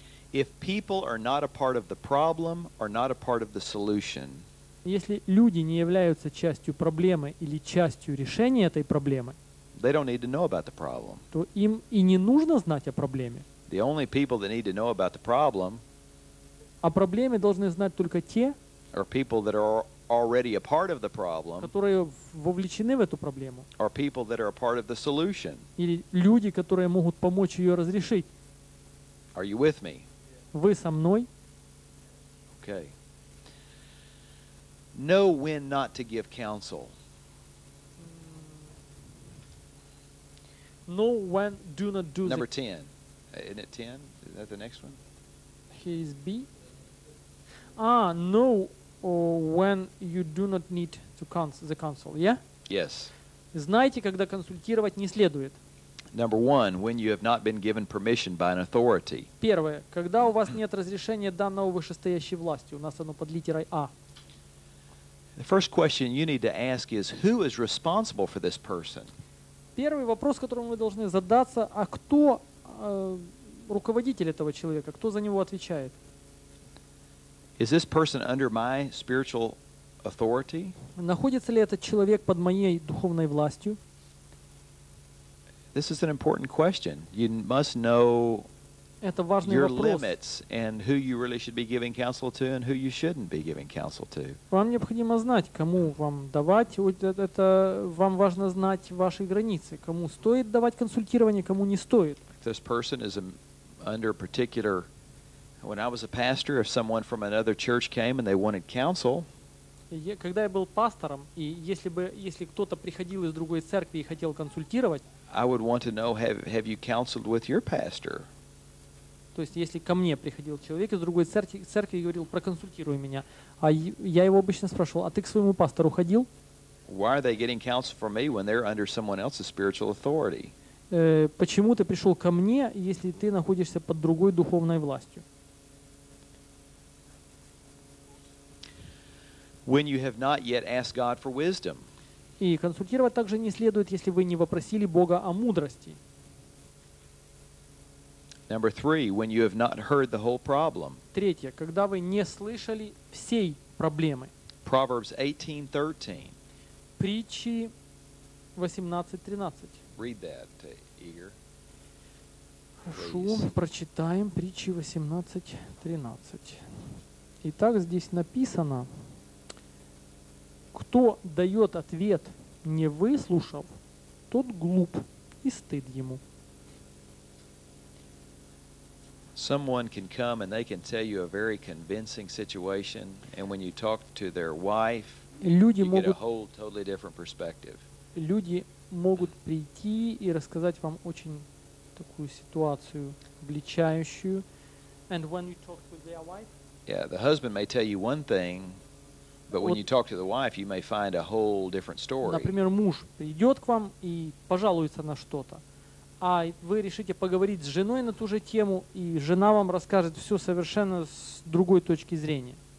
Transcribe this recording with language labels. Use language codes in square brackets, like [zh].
[en] If people are not a part of the problem or not a part of the solution, [ru] если люди не являются частью проблемы или частью решения этой проблемы, [en] they don't need to know about the problem. [ru] То им и не нужно знать о проблеме. [en] The only people that need to know about the problem, [ru] о проблеме должны знать только те, [en] are people that are already a part of the problem, [ru] которые вовлечены в эту проблему, [en] or people that are a part of the solution, [ru] или люди, которые могут помочь ее разрешить. [en] Are you with me? [ru] Вы со мной? [en] Okay. Know when not to give counsel. Know when do not do. Number 10. Isn't it 10? Is that the next one? Here's B. Ah, know when you do not need to the counsel, yeah? Yes. [ru] Знайте, когда консультировать не следует. [en] Number 1, when you have not been given permission by an authority. [ru] Первое, когда у вас нет разрешения данного вышестоящей властью. У нас оно под литерой А. [en] The first question you need to ask is, who is responsible for this person? [ru] Первый вопрос, которым вы должны задаться, а кто руководитель этого человека, кто за него отвечает? [en] Is this person under my spiritual authority? [ru] Находится ли этот человек под моей духовной властью? [en] This is an important question. You must know your limits and who you really should be giving counsel to and who you shouldn't be giving counsel to. [ru] Вам необходимо знать, кому вам давать. Это вам важно знать ваши границы. Кому стоит давать консультирование, кому не стоит. [en] This person is under a particular. When I was a pastor, if someone from another church came and they wanted counsel. [ru] Когда я был пастором, и если кто-то приходил из другой церкви и хотел консультировать. [en] I would want to know, have you counseled with your pastor? [ru] То есть, если ко мне приходил человек из другой церкви и говорил, проконсультируй меня. А я его обычно спрашивал, а ты к своему пастору ходил? [en] Why are they getting counsel from me when they're under someone else's spiritual authority? [ru] Почему ты пришел ко мне, если ты находишься под другой духовной властью? [en] When you have not yet asked God for wisdom. [ru] И консультировать также не следует, если вы не вопросили Бога о мудрости. [en] Number 3, when you have not heard the whole problem. [ru] Третье, когда вы не слышали всей проблемы. [en] Proverbs 18:13. [ru] Притчи 18:13. [en] Read that, Igor. [ru] Хорошо, прочитаем Притчи 18:13. Итак, здесь написано: кто дает ответ, не выслушав, тот глуп и стыд ему. [en] Someone can come and they can tell you a very convincing situation, and when you talk to their wife, you get a whole totally different perspective. [ru] Люди могут прийти и рассказать вам очень такую ситуацию обличающую. [en] And when you talk with their wife? Yeah, the husband may tell you one thing, but when you talk to the wife, you may find a whole different story. [ru] Например, муж придет к вам и пожалуется на что-то. А вы решите поговорить с женой на ту же тему, и жена вам расскажет все совершенно с другой точки зрения.